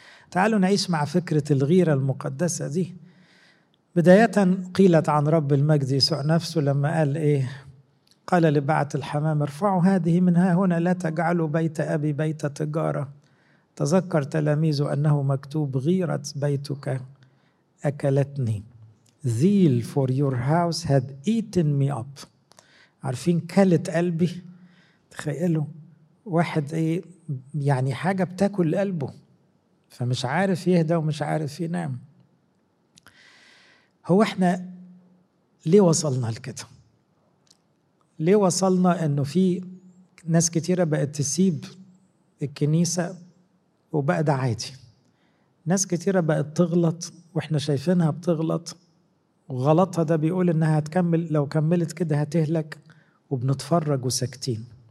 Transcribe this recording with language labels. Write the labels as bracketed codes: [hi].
[ar] تعالوا نعيش مع فكرة الغيرة المقدسة دي. بداية قيلت عن رب المجد يسوع نفسه لما قال إيه؟ قال لبعة الحمام ارفعوا هذه منها هنا لا تجعلوا بيت أبي بيت تجارة. تذكر تلاميذه أنه مكتوب غيرة بيتك أكلتني. [en] Zeal for your house had eaten me up. [ar] عارفين كلت قلبي؟ تخيلوا واحد ايه يعني حاجة بتاكل قلبه، فمش عارف يهدى ومش عارف ينام. هو احنا ليه وصلنا لكده؟ ليه وصلنا انه في ناس كتيرة بقت تسيب الكنيسة وبقى ده عادي، ناس كتيرة بقت تغلط واحنا شايفينها بتغلط، وغلطها ده بيقول انها هتكمل، لو كملت كده هتهلك، وبنتفرج وساكتين.